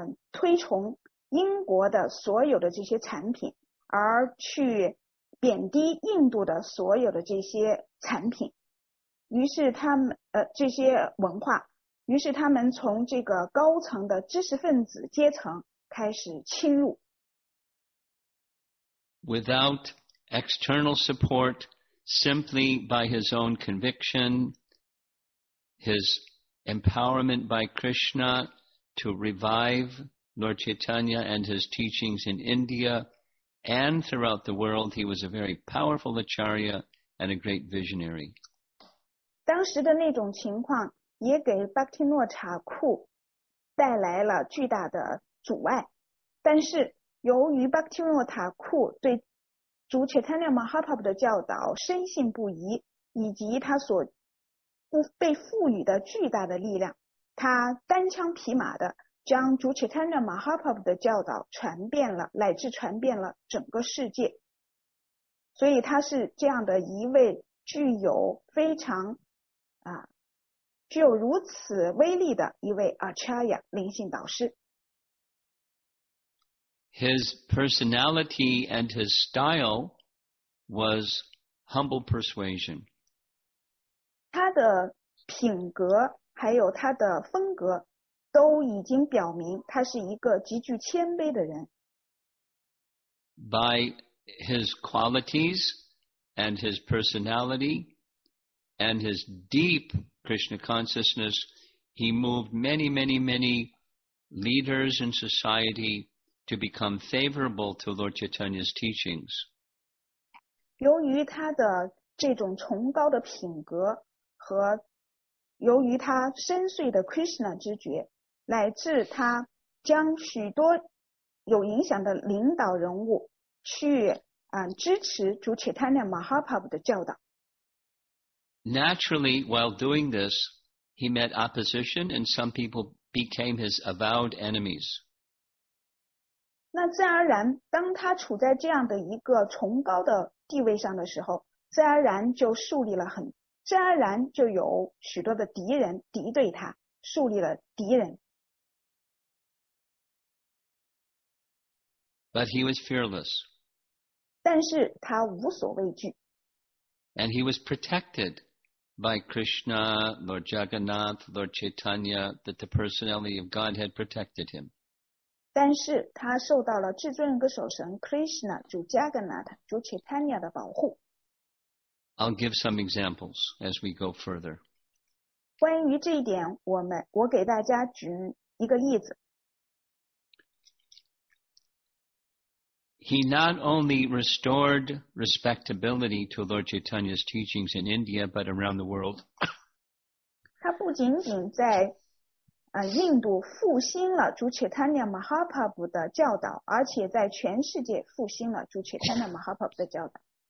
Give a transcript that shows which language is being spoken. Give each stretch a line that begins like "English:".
Chinese: 推崇英国的所有的这些产品，而去贬低印度的所有的这些产品，于是他们这些文化，于是他们从这个高层的知识分子阶层开始侵入。
English: Without external support, simply by his own conviction, his empowerment by Krishna to revive Lord Chaitanya and his teachings in India and throughout the world, he was a very powerful acharya and a great visionary.
Chinese: 当时的那种情况也给巴提诺查库带来了巨大的阻碍。但是由于 Bhaktivinoda Thakur 对主 Chaitanya Mahaprabhu 的教导深信不疑，以及他所被赋予的巨大的力量，他单枪匹马的将主 Chaitanya Mahaprabhu 的教导传遍了，乃至传遍了整个世界。所以他是这样的一位具有非常具有如此威力的一位 Acharya 灵性导师。
English: His personality and his style was humble persuasion.
Chinese: 他的品格还有他的风格都已经表明他是一个极具谦卑的人。
English: By his qualities and his personality and his deep Krishna consciousness, he moved many, many, many leaders in society to become favorable to Lord Chaitanya's teachings.
Chinese: 由于他的这种崇高的品格和由于他深邃的 Krishna 知觉，乃至他将许多有影响的领导人物去支持主 Chaitanya Mahaprabhu 的教导。
English: Naturally, while doing this, he met opposition and some people became his avowed enemies.
Chinese: 那自然而然，当他处在这样的一个崇高的地位上的时候，自然而然就有许多的敌人敌对他，树立了敌人。
English: But he was fearless.
Chinese: 但是他无所畏惧。
English: And he was protected by Krishna, Lord Jagannath, Lord Chaitanya, that the personality of Godhead protected him.
Chinese: 但是他受到了至尊人格守神 Krishna, 主 Jagannath, 主 Chaitanya 的保护。
English: I'll give some examples as we go further.
Chinese: 关于这一点，我给大家举一个例子。
English: He not only restored respectability to Lord Chaitanya's teachings in India, but around the world.
Chinese: 他不仅仅在印度复兴了主 Chaitanya Mahaprabhu 的教导，而且在全世界复兴了主 Chaitanya Mahaprabhu 的教导。